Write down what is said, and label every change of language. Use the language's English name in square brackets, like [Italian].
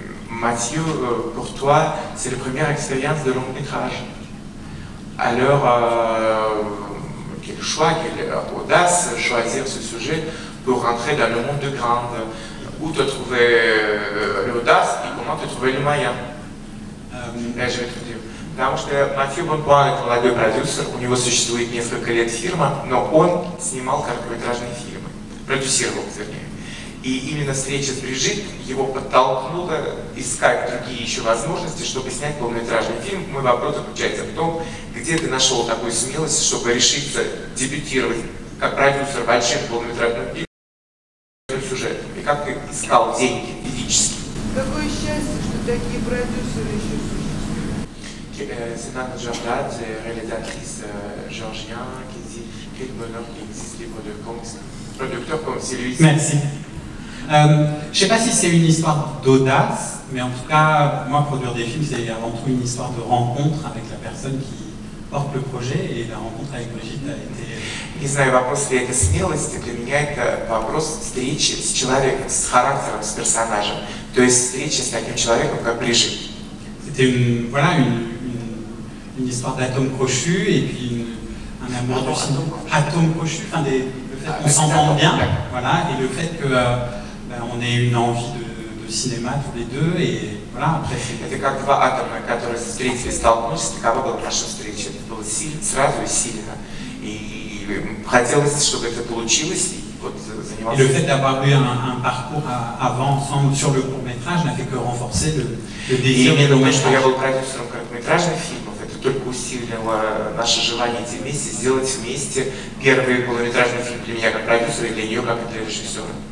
[French] Mathieu, pour toi, c'est la première expérience de long métrage. Alors, quel choix, quelle audace, choisir ce sujet pour rentrer dans le monde de grande. Où tu as trouvé l'audace et comment tu as trouvé le moyen? Je vais te dire. [Russian] Потому что Mathieu Bonpoint est молодой продюсер, у него существует несколько лет фирма, но он снимал короткометражные фильмы, продюсировал, вернее. И именно встреча с Брижит его подтолкнула искать другие еще возможности, чтобы снять полнометражный фильм. Мой вопрос заключается в том, где ты нашел такую смелость, чтобы решиться дебютировать как продюсер больших полнометражных фильмов сюжетом? И как ты искал деньги физически? Какое счастье, что такие продюсеры еще существуют. [French] C'est notre journal, réalisatrice Georgien, qui dit quel bonheur qui existe pour le producteur comme celui-ci. Merci. Je sais pas si c'est une histoire d'audace, mais en tout cas, moi, produire des films, c'est avant tout une histoire de rencontre avec la personne qui porte le projet, et la rencontre avec Brigitte a été... [Russian] Не знаю, вопрос ли это смелости, для меня это вопрос встречи с человеком, с характером, с персонажем, то есть встречи с таким человеком, как Brigitte. [French] C'était une histoire d'atome crochu, et puis un amour du cinéma. Atome crochu, enfin, le fait qu'on s'entend bien, voilà, et le fait que... on a une envie de cinéma tous les deux et voilà après c'est [Russian] как два атома, которые встретились, столкнулись, такова была наша встреча. Это было сразу и сильно. И хотелось, чтобы это получилось. И вот занимался. [French] Le fait d'avoir eu un parcours avant ensemble sur le court-métrage n'a fait que renforcer le désir de long-métrage. [Russian] Что я был продюсером короткометражных фильмов, это только усилило наше желание идти вместе, сделать вместе первый полнометражный фильм для меня как продюсера и для нее как для режиссера.